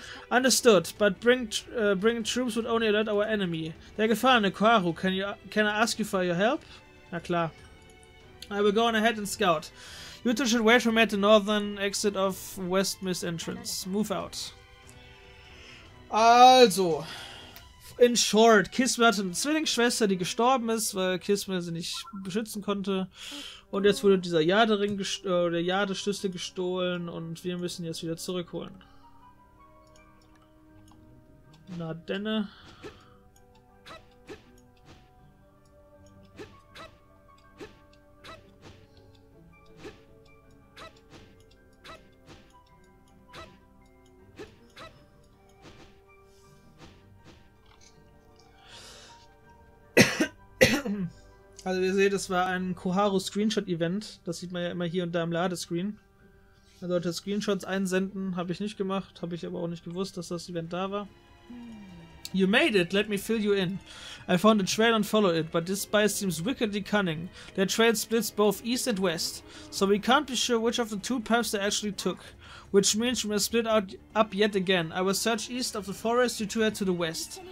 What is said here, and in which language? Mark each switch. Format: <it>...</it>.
<en>Understood, but bring troops would only alert our enemy. Der gefahrene Quaru, can I ask you for your help?</en> <de>Na klar.</de> <en>I will go on ahead and scout. You two should wait for me at the northern exit of West Mist's entrance. Move out. Also. In short,</en> <de>Kismel hatte eine Zwillingsschwester, die gestorben ist, weil Kismel sie nicht beschützen konnte. Und jetzt wurde dieser Jade-Ring oder Jade-Schlüssel gestohlen und wir müssen jetzt wieder zurückholen. Na denne. Also ihr seht, das war ein Koharu-Screenshot-Event. Das sieht man ja immer hier und da im Ladescreen. Man sollte Screenshots einsenden, habe ich nicht gemacht, habe ich aber auch nicht gewusst, dass das Event da war.</de> <en>You made it, let me fill you in. I found a trail and follow it, but this spy seems wickedly cunning. Their trail splits both east and west, so we can't be sure which of the two paths they actually took. Which means we must split out up yet again. I will search east of the forest, you two head to the west.</en>